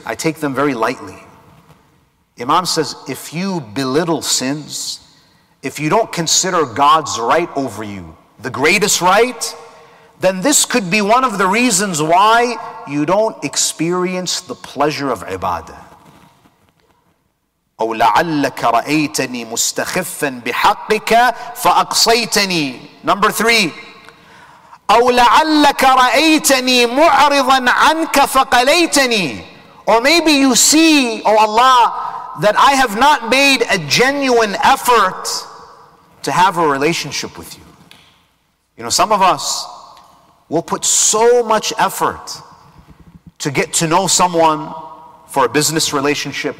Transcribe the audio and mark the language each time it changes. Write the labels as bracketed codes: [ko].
[en] I take them very lightly. Imam says, if you belittle sins, if you don't consider God's right over you, the greatest right, then this could be one of the reasons why you don't experience the pleasure of ibadah. [ar] أو لعلك رأيتني مستخفا بحقك فأقصيتني. [en] Number 3. [ar] أو لعلك رأيتني معرضا عنك فقليتني. [en] Or maybe you see, O Allah, that I have not made a genuine effort to have a relationship with you. You know, some of us will put so much effort to get to know someone for a business relationship.